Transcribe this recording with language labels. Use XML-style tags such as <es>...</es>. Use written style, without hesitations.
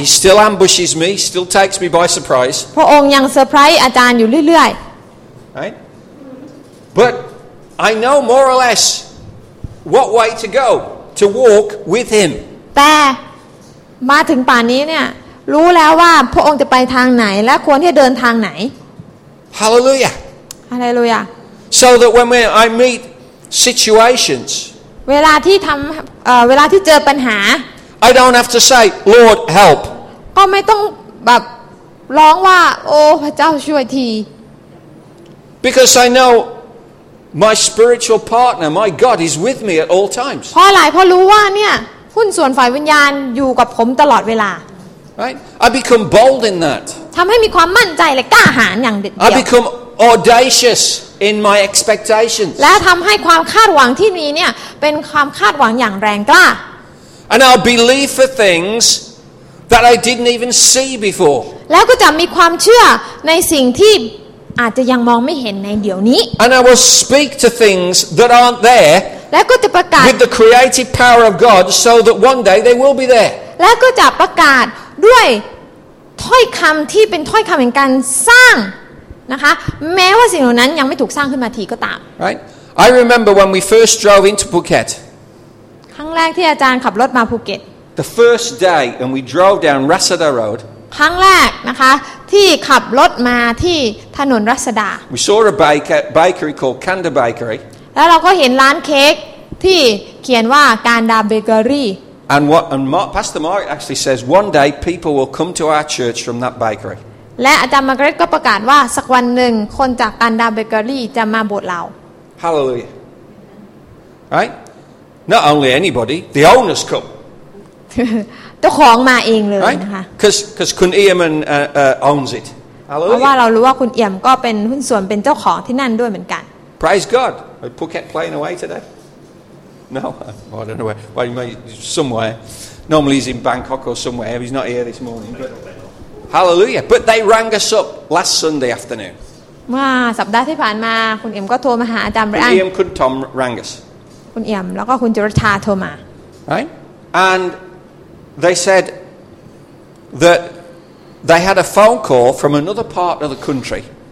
<en>He still ambushes me still takes me by surprise</en> <th>พระองค์ยังเซอร์ไพรส์อาจารย์อยู่เรื่อย</th> <en>ๆ Right But I know more or less what way to go to walk with him</en> <th>แต่มาถึงป่านนี้เนี่ยรู้แล้วว่าพระองค์จะไปทางไหนและควรที่จะเดินทางไหน</th> <en>Hallelujah Hallelujah So that when I meet situations</en> <th>เวลาที่ทำเวลาที่เจอปัญหา</th> <en>I don't have to say Lord help</en> <th>ก็ไม่ต้องแบบร้องว่าโอ้พระเจ้าช่วยที</th> <en>Because I know my spiritual partner my God is with me at all times</en> <th>เพราะอะไรเพราะรู้ว่าเนี่ยหุ้นส่วนฝ่ายวิญญาณอยู่กับผมตลอดเวลา</th> <en>Right, I become bold in that.</en> <th>ทำให้มีความมั่นใจและกล้าหาญอย่างเด็ดเดี่ยว</th> <en>I become audacious in my expectations.</en> <th>และทำให้ความคาดหวังที่มีเนี่ยเป็นความคาดหวังอย่างแรงกล้า</th> <en>And I'll believe for things that I didn't even see before.</en> <th>แล้วก็จะมีความเชื่อในสิ่งที่อาจจะยังมองไม่เห็นในเดี๋ยวนี้</th> <en>And I will speak to things that aren't there.</en> <th>และก็จะประกาศ</th> <en>with the creative power of God, so that one day they will be there.</en> <th>และก็จะประกาศด้วยถ้อยคำที่เป็นถ้อยคำแห่งการสร้างนะคะแม้ว่าสิ่งเหล่านั้นยังไม่ถูกสร้างขึ้นมาทีก็ตาม</th> <en>Right I remember when we first drove into Phuket</en> <th>ครั้งแรกที่อาจารย์ขับรถมาภูเก็ต</th> <en>The first day and we drove down Rasada Road</en> <th>ครั้งแรกนะคะที่ขับรถมาที่ถนนรัศดา</th> <en>We saw a bakery called Kanda Bakery</en> <th>แล้วเราก็เห็นร้านเค้กที่เขียนว่าการดาเบเกอรี่</th> <en>And what and Pastor Mark actually says one day people will come to our church from that bakery.</en> <th>และอาจารย์มาร์กาเร็ตก็ประกาศว่าสักวันหนึ่งคนจากกันดาเบเกอรี่จะมาโบสถ์เรา</th> <en>Hallelujah. Right? Not only anybody, the owners come.</en> <th>ตัวของมาเองเลยนะคะ</th> <en>Because คุณเอี่ยมันowns it. Hallelujah.</en> <th>เพราะว่าเรารู้ว่าคุณเอี่ยมก็เป็นหุ้นส่วนเป็นเจ้าของที่นั่นด้วยเหมือนกัน</th> <en>Praise God. I put cat playing away today. No, I don't know where. Well, he may be somewhere. Normally he's in Bangkok or somewhere. He's not here this morning. But hallelujah. But they rang us up last Sunday afternoon.</en> <th>Wow, สัปดาห์ที่ผ่านมาคุณเอี่ยมก็โทรมาหาอาจารย์ไบรอัน คุณเอี่ยมคุณทอมรังส์คุณเอี่ยมแล้วก็คุณจุรชาโทรมา</th> <en>Right? And they said that they had a phone call from another part of the country.</en>